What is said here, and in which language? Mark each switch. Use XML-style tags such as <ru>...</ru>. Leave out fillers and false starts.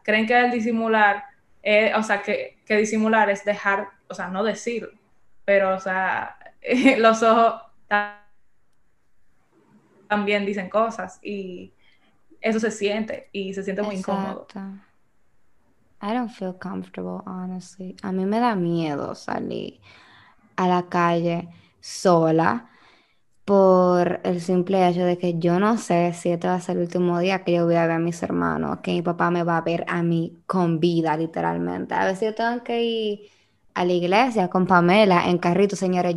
<es>Creen que el disimular, que disimular es dejar, o sea, no decir, pero, o sea, los ojos también dicen cosas y eso se siente y se siente muy incómodo.</es> <en>I don't feel comfortable, honestly.</en> <es>A mí me da miedo salir a la calle sola por el simple hecho de que yo no sé si este va a ser el último día que yo voy a ver a mis hermanos, que mi papá me va a ver a mí con vida, literalmente. A veces yo tengo que ir a la iglesia con Pamela en carrito, señores.</es>